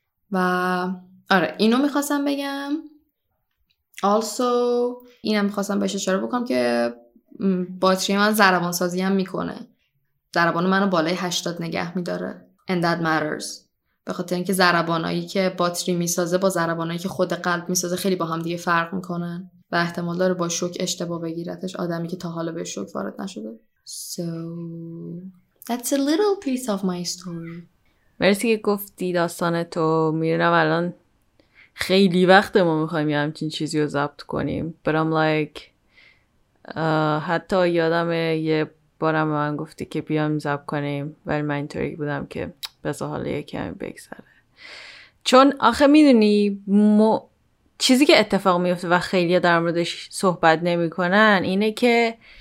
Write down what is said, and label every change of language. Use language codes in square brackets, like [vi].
[fa] و آره اینو میخواستم بگم. [en] also [fa] اینم میخواستم بهش اشاره بکنم که باتری من ضربان سازی هم میکنه، ضربان منو بالای 80 نگه میداره [en] and that matters، [fa] به خاطر اینکه ضربانایی که باتری میسازه با ضربانایی که خود قلب میسازه خیلی با هم دیگه فرق میکنن و احتمال داره با شوک اشتباه بگیرتش آدمی که تا حالا به شوک وارد نشده. [en] So that's a little piece of my story. [fa] مرسی که گفتی داستان تو. میرونم الان خیلی وقت ما میخواییم یه همچین چیزی رو ضبط کنیم، [en] but I'm like [fa] حتی یادم یه بارم من گفتی که بیام ضبط کنیم، ولی من اینطوری بودم که بزا حالا یکی بگذره، چون آخه میدونی چیزی که اتفاق میفته و خیلی در موردش صحبت نمی کنن اینه که